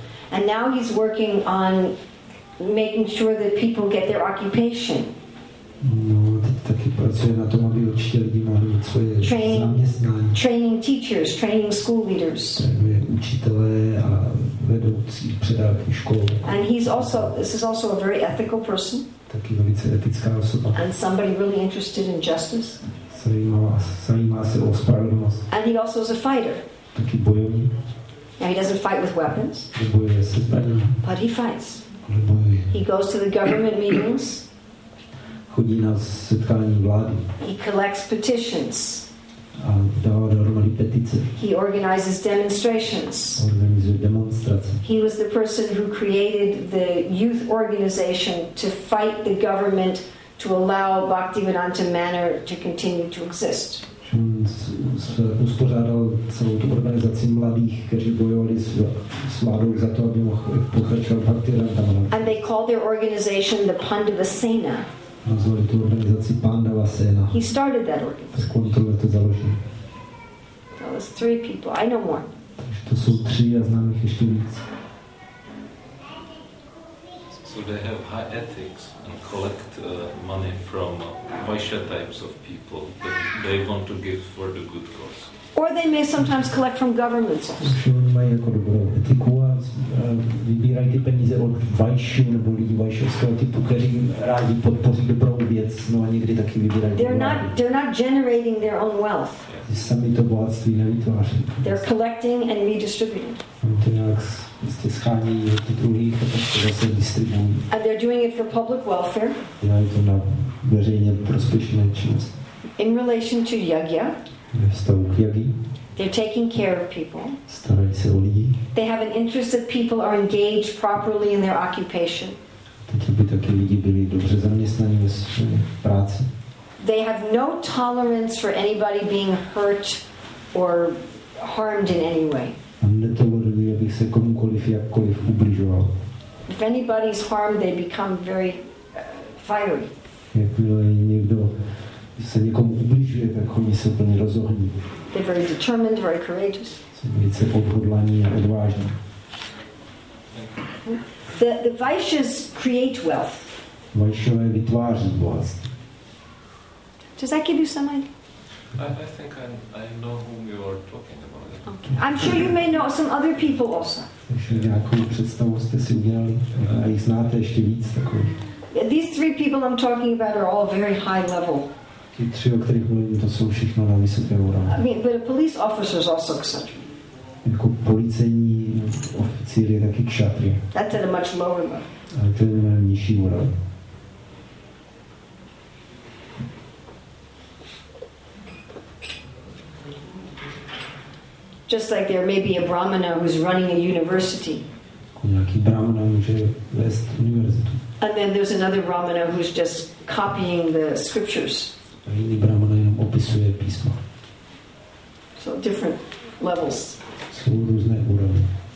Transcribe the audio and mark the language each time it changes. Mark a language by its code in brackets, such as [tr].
[en] And now he's working on making sure that people get their occupation. [cs] No, taky pracuje na tom, aby určitě lidi mohli mít svoje zaměstnání. [en] Training teachers, training school leaders. [cs] Trénuje učitele a vedoucí předávání školy. [en] And he's also, this is also a very ethical person. [cs] Taky velice etická osoba. [en] And somebody really interested in justice. [cs] Zajímá se o spravedlnost. [en] And he also is a fighter. [cs] Taky bojovník. [en] Now he doesn't fight with weapons. [cs] Nebojuje se zbraněmi. [en] But he fights. [cs] Nebojuje. [en] He goes to the government meetings. [cs] Chodí na setkání vlády. [en] He collects petitions. [cs] A dává dohromady petice. [en] He organizes demonstrations. [cs] Organizuje demonstrace. [en] He was the person who created the youth organization to fight the government to allow Bhaktivedanta Manor to continue to exist. [cs] On uspořádal celou tu organizaci mladých, kteří bojovali s vládou za to, aby mohl pokračovat Bhaktivedanta Manor. [en] And they called their organization the Pandava Sena. [cs] Nazvali tu organizaci Pandava Sena. [en] He started that organization. [cs] Tak on to založil. [en] That was three people. I know more. [cs] Takže to jsou tři a znám jich ještě víc. [en] So they have high ethics and collect money from Vaishya types of people that they want to give for the good cause. Or they may sometimes collect from governments. [cs] Oni mají jako dobrou etiku a vybírají ty peníze od vajšů nebo lidí vajšovského typu, kteří rádi podpoří dobrou věc, no a někdy taky vybírají. [en] They're not generating their own wealth. [cs] Sami to bohatství nevytváří. [en] They're collecting and redistributing. [cs] Oni to nějak schání od druhých a pak to zase distribuují. [en] And they're doing it for public welfare. [cs] Dělají to na veřejně prospěšné činnost. [en] In relation to yagya. They're taking care of people. [cs] Starají se o lidi. [en] They have an interest that people are engaged properly in their occupation. [cs] Aby taky lidi byli dobře zaměstnaní ve své práci. [en] They have no tolerance for anybody being hurt or harmed in any way. [cs] A netolerují, aby se komukoliv jakkoliv ubližoval. [en] If anybody's harmed, they become very fiery. [cs] Jakmile někdo se někomu ubližuje, tak oni se úplně rozohní. [en] They're very determined, very courageous. [cs] Jsou velice odhodlaní a odvážní. [en] The Vaishyas create wealth. [cs] Vaishyové vytváří bohatství. [en] Does that give you some idea? I think I know whom you are talking about. Okay. I'm sure you may know some other people also. [cs] Takže nějakou představu jste si udělali a jich znáte ještě víc takový. [en] These three people I'm talking about are all very high level. [cs] Ty tři, o kterých mluvím, to jsou všechno na vysoké úrovni. [en] I mean, but a police officer is also kshatriya. [cs] Jako policejní oficír je taky kshatriya. [en] That's at a much lower level. [cs] Ale to je na nižší úrovni. [en] Just like there may be a brahmana who's running a university. [cs] Nějaký brahmana může vést univerzitu. [en] And then there's another brahmana who's just copying the scriptures. [cs] A jiný brahmana jenom opisuje písmo. [en] So different levels. [cs] Jsou různé úrovně.